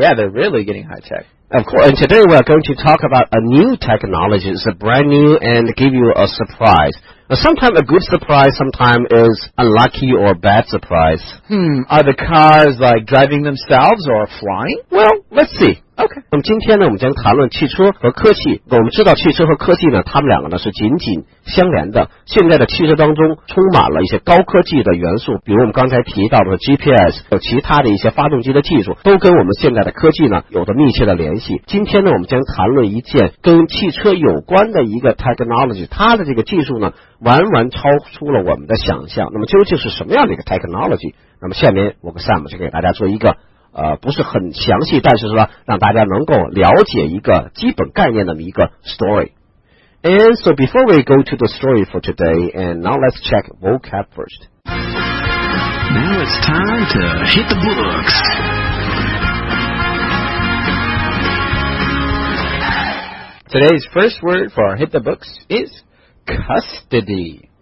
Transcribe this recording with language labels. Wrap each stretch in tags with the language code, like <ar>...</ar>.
<en>Yeah, they're really getting high-tech. Of course. And today we're going to talk about a new technology. It's a brand new and give you a surprise. Sometimes a good surprise, sometimes is a lucky or bad surprise. Are the cars like driving themselves or flying? Well, let's see. Okay.</en> <zh>那么今天呢，我们将谈论汽车和科技。我们知道汽车和科技呢，它们两个呢是紧紧相连的。现在的汽车当中充满了一些高科技的元素，比如我们刚才提到的 GPS， 有其他的一些发动机的技术，都跟我们现在的科技呢有着密切的联系。今天呢，我们将谈论一件跟汽车有关的一个 technology， 它的这个技术呢，完完超出了我们的想象。那么究竟是什么样的一个 technology？那么下面我们 Sam 就给大家做一个。不是很详细，但是说让大家能够了解一个基本概念的一个 story.</zh> <en>And so before we go to the story for today, and now let's check vocab first. Now it's time to hit the books. Today's first word for hit the books is custody.</en>